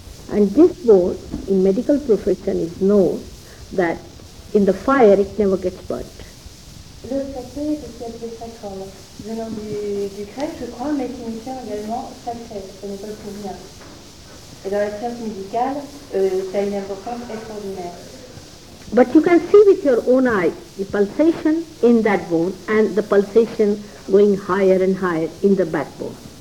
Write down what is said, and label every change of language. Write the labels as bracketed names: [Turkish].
[English] And this bone in medical profession is known that in the fire it never gets burnt. [French] Le sacré est le sacrum. Venant du grec, je crois, mais qui nous tient également sacré, ce n'est pas pour rien. Et dans la science médicale, ça a une importance extraordinaire. [English] But you can see with your own eye the pulsation in that bone and the pulsation going higher and higher in the backbone.